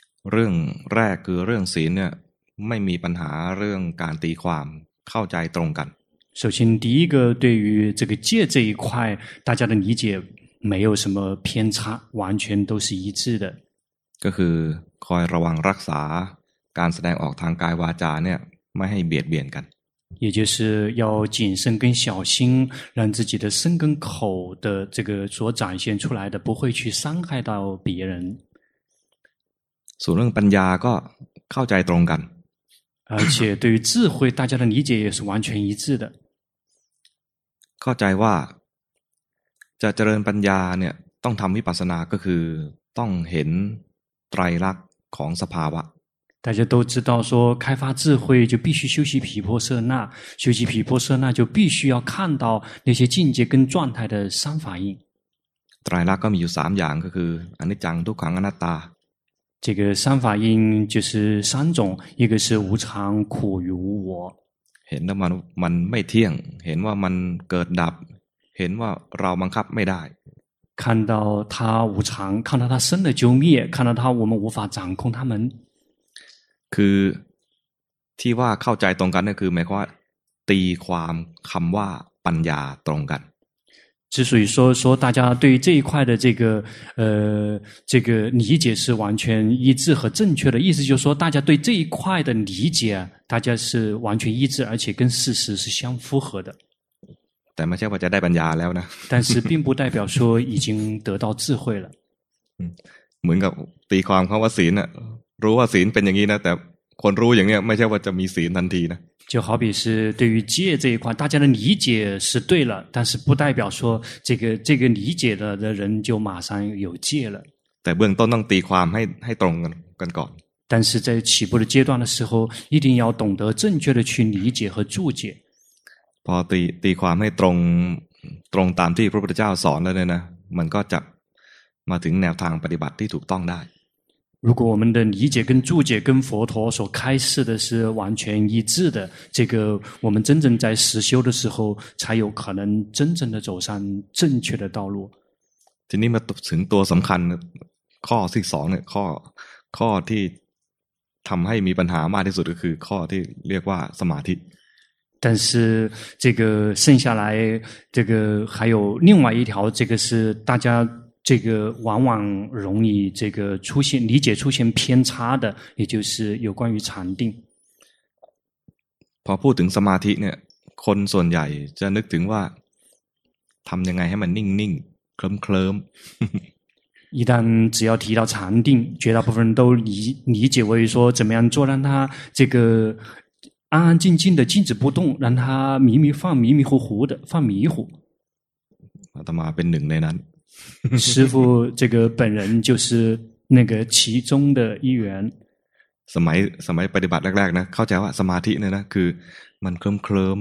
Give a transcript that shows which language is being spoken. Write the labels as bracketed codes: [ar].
[th] เรื่องแรกคือเรื่องศีลเนี่ยไม่มีปัญหาเรื่องการตีความเข้าใจตรงกัน [zh] 首先第一个对于这个戒这一块大家的理解没有什么偏差完全都是一致的 [th] ก็คือคอยระวังรักษาการแสดงออกทางกายวาจาเนี่ยไม่ให้เบียดเบียนกัน [zh] 也就是要谨慎跟小心让自己的身跟口的这个所展现出来的不会去伤害到别人 [th] ส่วนเรื่องปัญญาก็เข้าใจตรงกัน [zh] 而且对于智慧大家的理解也是完全一致的 [th] เข้าใจว่าจะเจริญปัญญาเนี่ยต้องทำวิปัสสนาก็คือต้องเห็นไตรลักษณ์ของสภาวะ [zh] 大家都知道说开发智慧就必须修习毗婆舍那修习毗婆舍那就必须要看到那些境界跟状态的三反应 [th] ไตรลักษณ์ก็มีอยู่3อย่างก็คืออนิจจังทุกขังอนัตตา [zh] 这个三反应就是三种一个是无常苦与无我 [th] เห็นว่ามันไม่เที่ยงเห็นว่ามันเกิดดับเห็นว่าเราบังคับไม่ได้ [zh] 看到它无常看到它生了就灭看到它我们无法掌控它们 [th] คือที่ว่าเข้าใจตรงกันก็คือหมายความว่าตีความคำว่าปัญญาตรงกัน [zh] 之所以说大家对这一块的这个理解是完全一致和正确的意思就是说大家对这一块的理解大家是完全一致而且跟事实是相符合的 [th] แต่ไม่ใช่ว่าจะได้ปัญญาแล้วนะ [zh] 但是并不代表说已经得到智慧了 [th] เหมือนกับตีความคำว่าศีลน่ะรู้ว่าศีลเป็นอย่างนี้นะแต่คนรู้อย่างนี้ไม่ใช่ว่าจะมีศีลทันทีนะ [zh] 就好比是对于戒这一块大家的理解是对了但是不代表说这个理解了的人就马上有戒了 [th] แต่เบื้องต้นต้องตีความให้ตรงกันก่อน [zh] 但是在起步的阶段的时候一定要懂得正确的去理解和注解 [th] พอตีความให้ตรงตามที่พระพุทธเจ้าสอนแล้วเนี่ยนะมันก็จะมาถึงแนวทางปฏิบัติที่ถูกต้องได้ [zh] 如果我们的理解跟注解跟佛陀所开示的是完全一致的，这个我们真正在实修的时候，才有可能真正的走上正确的道路。 [th] ทีนี้มาถึงตัวสำคัญข้อที่สองเนี่ยข้อที่ทำให้มีปัญหามากที่สุดก็คือข้อที่เรียกว่าสมาธิ。 [zh] 但是这个剩下来这个还有另外一条，这个是大家。这个往往容易这个出现理解出现偏差的也就是有关于禅定 [th] พอพูดถึงสมาธิเนี่ยคนส่วนใหญ่จะนึกถึงว่าทำยังไงให้มันนิ่งๆเคลิ้ม [zh] ๆ一旦只要提到禅定绝大部分人都理解为说怎么样做让他这个安安静静的静止不动让他迷迷糊糊的犯迷糊 [th] อาตมาเป็นหนึ่งในนั้น [zh] 师父这个本人就是那个其中的一员 [th] สมัยปฏิบัติแรกๆนะเข้าใจว่าสมาธิเนี่ยนะคือมันเคลิ้ม